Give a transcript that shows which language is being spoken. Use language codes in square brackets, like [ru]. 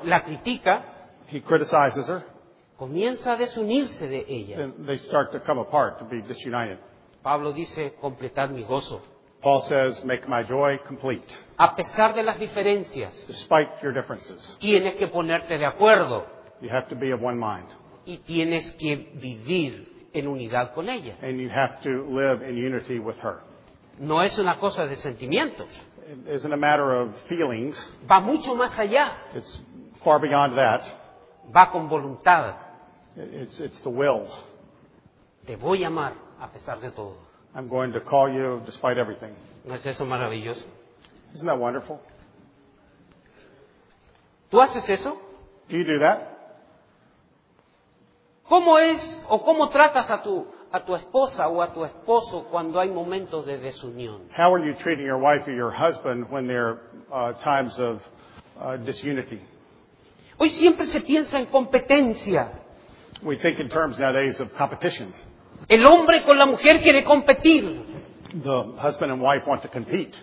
[es] La critica. [en] He criticizes her. [es] Comienza a desunirse de ella. [en] Then they start to come apart, to be disunited. [es] Pablo dice, completad mi gozo. [en] Paul says, make my joy complete. [es] A pesar de las diferencias. [en] Despite your differences. [es] Tienes que ponerte de acuerdo. [en] You have to be of one mind. [es] Y tienes que vivir en unidad con ella. [en] And you have to live in unity with her. [es] No es una cosa de sentimientos. [en] It isn't a matter of feelings. [es] Va mucho más allá. [en] It's far beyond that. [es] Va con voluntad. [en] It's the will. [es] Te voy a amar a pesar de todo. [en] I'm going to call you despite everything. [es] ¿No es eso maravilloso? [en] Isn't that wonderful? [es] ¿Tú haces eso? [en] Do you do that? [es] ¿Cómo es o cómo tratas a tu esposa o a tu esposo cuando hay momentos de desunión? [en] How are you treating your wife or your husband when there are times of disunity? [es] Hoy siempre se piensa en competencia. [en] We think in terms nowadays of competition. [es] El hombre con la mujer quiere competir. [en] The husband and wife want to compete.